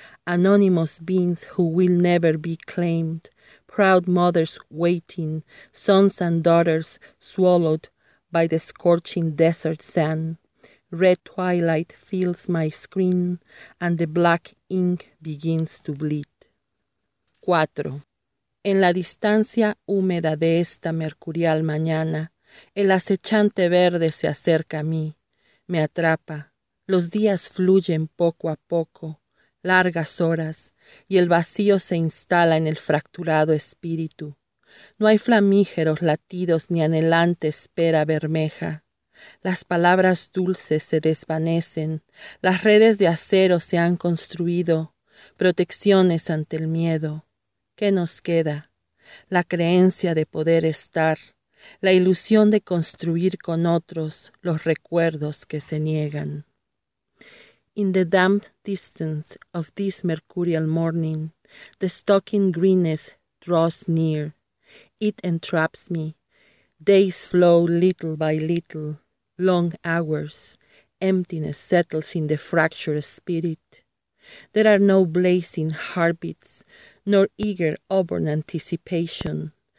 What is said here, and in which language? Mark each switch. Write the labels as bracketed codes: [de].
[en] Anonymous beings who will never be claimed, proud mothers waiting, sons and daughters swallowed by the scorching desert sand. Red twilight fills my screen, and the black ink begins to bleed. 4. [es] En la distancia húmeda de esta mercurial mañana, el acechante verde se acerca a mí, me atrapa. Los días fluyen poco a poco, largas horas, y el vacío se instala en el fracturado espíritu. No hay flamígeros latidos ni anhelante espera bermeja. Las palabras dulces se desvanecen, las redes de acero se han construido, protecciones ante el miedo. ¿Qué nos queda? La creencia de poder estar, la ilusión de construir con otros los recuerdos que se niegan. [en] In the damp distance of this mercurial morning, the stalking greenness draws near. It entraps me. Days flow little by little, long hours. Emptiness settles in the fractured spirit. There are no blazing heartbeats, nor eager, auburn anticipation.